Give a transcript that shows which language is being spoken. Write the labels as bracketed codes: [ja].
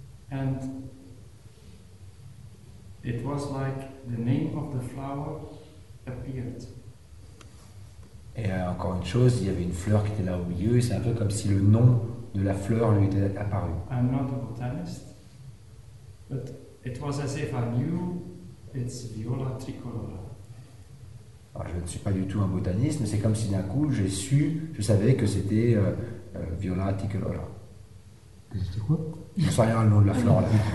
[en] And it was like the name of the flower appeared. [fr] Et encore une chose, il y avait une fleur qui était là au milieu, et c'est un peu comme si le nom de la fleur lui était apparue. [en] I'm not a botanist, but it was as if I knew it's Viola tricolora. [fr] Alors, je ne suis pas du tout un botaniste, mais c'est comme si d'un coup j'ai su, je savais que c'était Viola tricolora. C'était quoi? Je ne sais rien le nom de la fleur là.